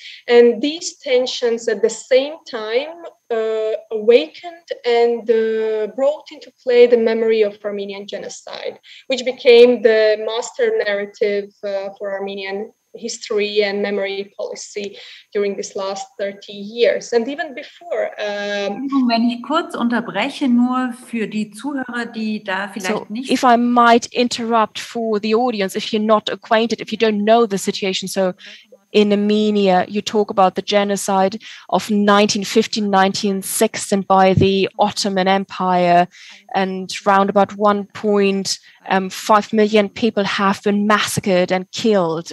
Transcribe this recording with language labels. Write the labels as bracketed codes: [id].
[en] And these tensions at the same time awakened and brought into play the memory of Armenian genocide, which became the master narrative for Armenian history and memory policy during this last 30 years and even before. [de] Wenn ich kurz unterbreche, nur für die Zuhörer, die da vielleicht nicht... [en] So, if I might interrupt for the audience, if you're not acquainted, if you don't know the situation, so in Armenia, you talk about the genocide of 1915-1916 by the Ottoman Empire, and round about 1.5 million people have been massacred and killed.